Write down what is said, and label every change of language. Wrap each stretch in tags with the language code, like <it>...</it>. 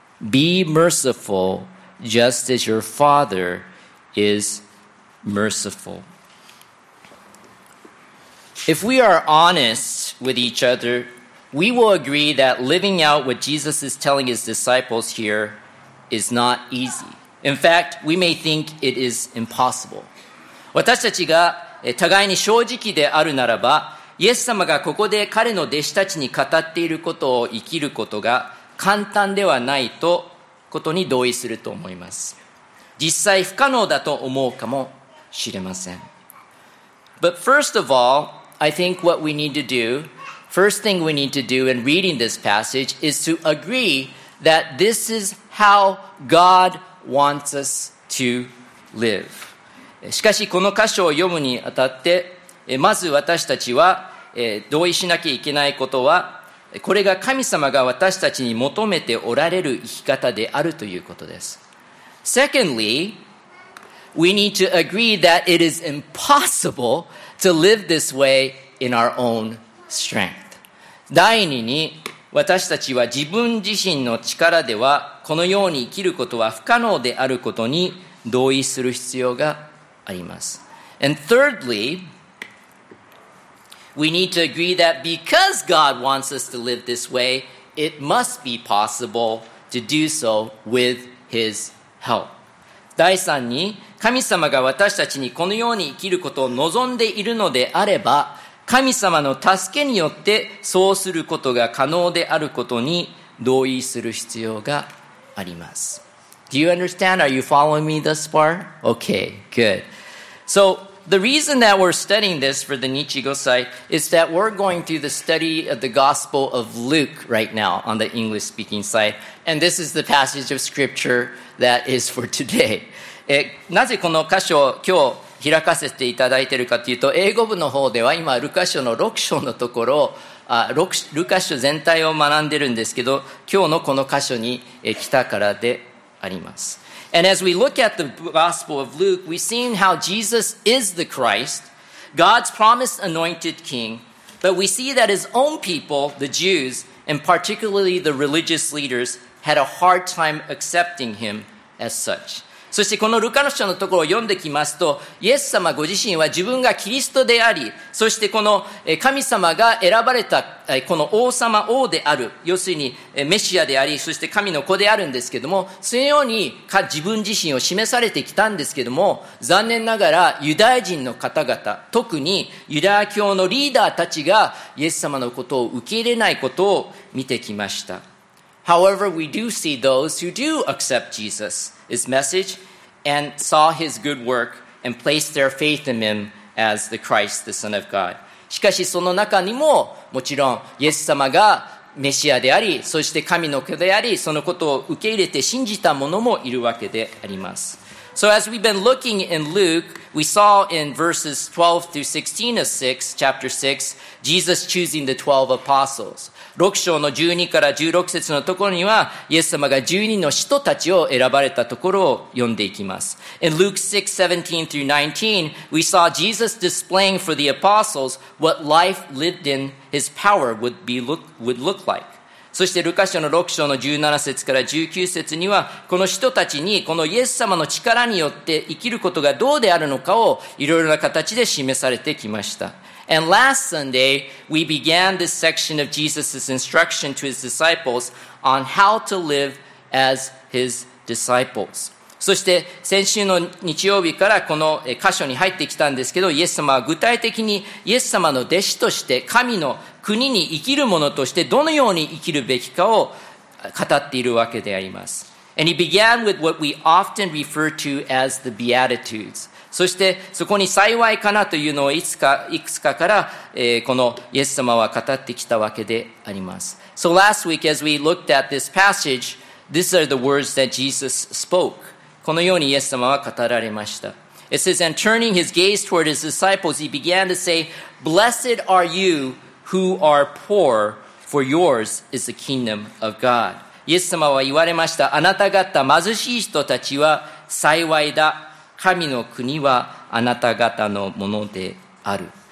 <en>Be merciful just as your father is merciful. If we are honest with each other, we will agree that living out what Jesus is telling his disciples here is not easy. In fact, we may think it is impossible.</en> <ja>私たちが互いに正直であるならば、イエス様がここで彼の弟子たちに語っていることを生きることが簡単ではないとことに同意すると思います。実際不可能だと思うかもしれません。</ja> <en>But first of all, I think what we need to do, first thing we need to do in reading this passage is to agree that this is how God wants us to live.</en> <ja>しかしこの箇所を読むにあたってまず私たちは同意しなきゃいけないことはこれが神様が私たちに求めておられる生き方であるということです。</ja> <en>Secondly, we need to agree that it is impossible to live this way in our own strength.</en> <ja>第二に私たちは自分自身の力ではこのように生きることは不可能であることに同意する必要があります。</ja> <en>And thirdly, we need to agree that because God wants us to live this way, it must be possible to do so with His help.</en> <ja>第三に、神様が私たちにこのように生きることを望んでいるのであれば、神様の助けによってそうすることが可能であることに同意する必要があります。</ja> <en>Do you understand? Are you following me thus far? Okay, good. So the reason that we're studying this for the Nichigo site is that we're going through the study of the Gospel of Luke right now on the English-speaking site. And this is the passage of scripture that is for today.</en> <ja>なぜこの箇所を今日開かせていただいているかというと、英語部の方では今、ルカ書の6章のところをルカ書全体を学んでいるんですけど、今日のこの箇所に来たからであります。</ja> <en>And as we look at the Gospel of Luke, we've seen how Jesus is the Christ, God's promised anointed king, but we see that his own people, the Jews, and particularly the religious leaders, had a hard time accepting him as such.</en> <ja>そしてこのルカの書のところを読んできますと、イエス様ご自身は自分がキリストであり、そしてこの神様が選ばれたこの王様王である、要するにメシアであり、そして神の子であるんですけども、そのように自分自身を示されてきたんですけども、残念ながらユダヤ人の方々、特にユダヤ教のリーダーたちがイエス様のことを受け入れないことを見てきました。</ja> <en>However, we do see those who do accept Jesus, his message, and saw his good work, and placed their faith in him as the Christ, the Son of God.</en> <ja>しかしその中にももちろんイエス様がメシアであり、そして神の子であり、そのことを受け入れて信じた者もいるわけであります。</ja> <en>So as we've been looking in Luke, we saw in verses 12 through 16 of 6, chapter 6, Jesus choosing the 12 apostles.</en> <ja>6章の12から16節のところには、イエス様が12の使徒たちを選ばれたところを読んでいきます。</ja> <en>In Luke 6, 17 through 19, we saw Jesus displaying for the apostles what life lived in his power would look like.</en> <ja>そしてルカ書の6章の17節から19節には、この人たちにこのイエス様の力によって生きることがどうであるのかをいろいろな形で示されてきました。</ja> <en>And last Sunday we began this section of Jesus' instruction to his disciples on how to live as his disciples。</en> <ja>そして先週の日曜日からこの箇所に入ってきたんですけど、イエス様は具体的にイエス様の弟子として神の国に生きる者としてどのように生きるべきかを語っているわけであります。</ja> <en>And he began with what we often refer to as the Beatitudes.</en> <ja>そしてそこに幸いかなというのをいくつかから、このイエス様は語ってきたわけであります。</ja> <en>So last week as we looked at this passage, these are the words that Jesus spoke.</en> <ja>このようにイエス様は語られました。</ja> <en>It says, and turning his gaze toward his disciples, he began to say, Blessed are you,Who are poor, for yours is the kingdom of God.</en> <ja>イエス様は言われました。あなた方貧しい人たちは幸いだ。神の国はあなた方のものである。</ja>